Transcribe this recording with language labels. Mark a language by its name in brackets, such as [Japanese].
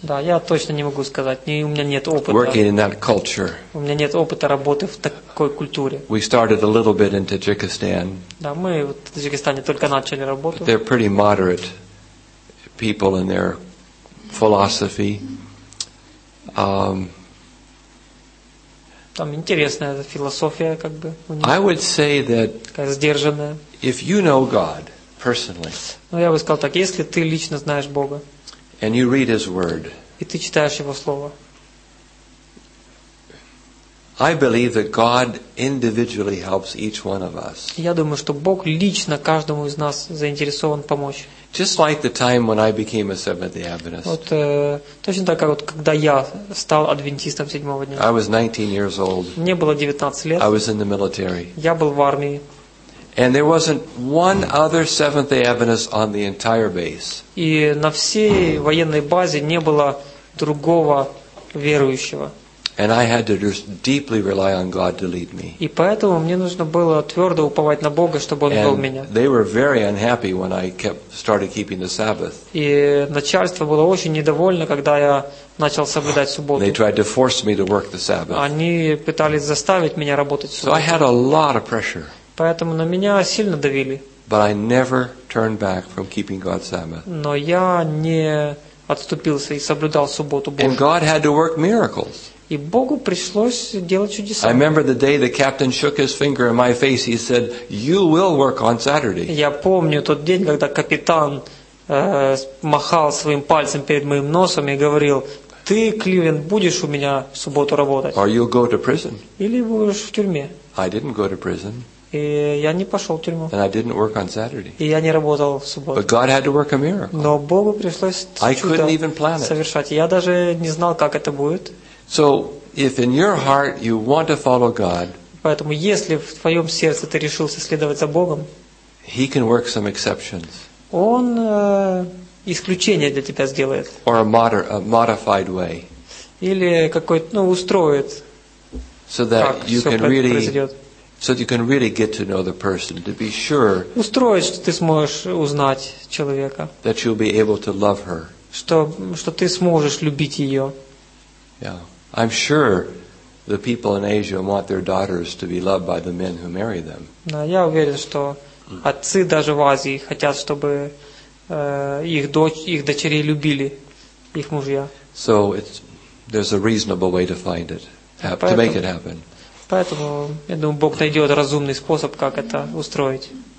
[Russian] Да, я точно не могу сказать. У меня нет опыта. [English] Working in that culture. [Russian] У меня нет опыта работы в такой культуре. [English] We started a little bit in Tajikistan. [Russian] Да, мы в Таджикистане только начали работу. [English] But they're pretty moderate people in their philosophy. [Russian] Там интересная философия, как бы. [English] I would say that [Russian] сдержанная. [English] If you know God personally. [Russian] Ну я бы сказал так, если ты лично знаешь Бога. [English] And you read His word. [Russian] И ты читаешь Его слово. [English] I believe that God individually helps each one of us. [Russian] Я думаю, что Бог лично каждому из нас заинтересован помочь. [English] Just like the time when I became a Seventh-day Adventist. [Russian] Вот точно так, как вот когда я стал адвентистом седьмого дня. [English] I was 19 years old. [Russian] Мне было 19 лет. [English] I was in the military. [Russian] Я был в армии. [English] And there wasn't one other Seventh-day Adventist on the entire base. [Russian] И на всей военной базе не было другого верующего. [English] And I had to just deeply rely on God to lead me. [Russian] И поэтому мне нужно было твердо уповать на Бога, чтобы Он вел меня. [English] They were very unhappy when I started keeping the Sabbath. [Russian] И начальство было очень недовольно, когда я начал соблюдать субботу. [English] They tried to force me to work the Sabbath. [Russian] Они пытались заставить меня работать в субботу. [English] So I had a lot of pressure. [Russian] Поэтому на меня сильно давили. [English] But I never turned back from keeping God's Sabbath. [Russian] Но я не отступился и соблюдал субботу Божью. [English] And God had to work miracles. [Russian] И Богу пришлось делать чудеса. [English] I remember the day the captain shook his finger in my face. He said, "You will work on Saturday." [Russian] Я помню тот день, когда капитан махал своим пальцем перед моим носом и говорил: "Ты, Кливен, будешь у меня в субботу работать?" [English] Or you'll go to prison. [Russian] Или будешь в тюрьме. [English] I didn't go to prison. [Russian] И я не пошел в тюрьму. [English] And I didn't work on Saturday. [Russian] И я не работал в субботу. [English] But God had to work a miracle. [Russian] Но Богу пришлось [English] I couldn't even plan it. [Russian] Совершать. Я даже не знал, как это будет. [English] So, if in your heart you want to follow God, [Russian] поэтому если в твоем сердце ты решился следовать за Богом, [English] He can work some exceptions. [Russian] Он исключение для тебя сделает. [English] Or a modified way. [Russian] Или какой-то ну устроит. [English] So that [Russian] как [English] you can really, [Russian] произойдет. [English] So that you can really get to know the person to be sure. [Russian] Устроит, что ты сможешь узнать человека. [English] That you'll be able to love her. [Russian] Что ты сможешь любить ее. [English] Yeah. I'm sure the people in Asia want their daughters to be loved by the men who marry them. [Russian] Да, я уверен, что отцы даже в Азии хотят, чтобы их дочерей любили их мужья. [English] So there's a reasonable way to find it, to make it happen. [Russian] Поэтому, я думаю, Бог найдет разумный способ, как это устроить.